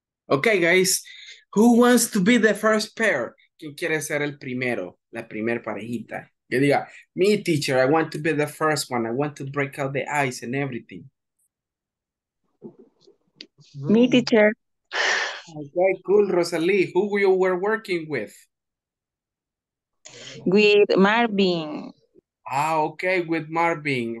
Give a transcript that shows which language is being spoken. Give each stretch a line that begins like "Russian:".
English: Okay, guys, who wants to be the first pair?
Spanish: ¿Quién quiere ser el primero, la primer parejita? Que diga,
English: me, teacher, I want to be the first one. I want to break out the ice and everything. Me, teacher. Okay, cool, Rosalie. Who you were working with? With Marvin. Ah, okay, with Marvin.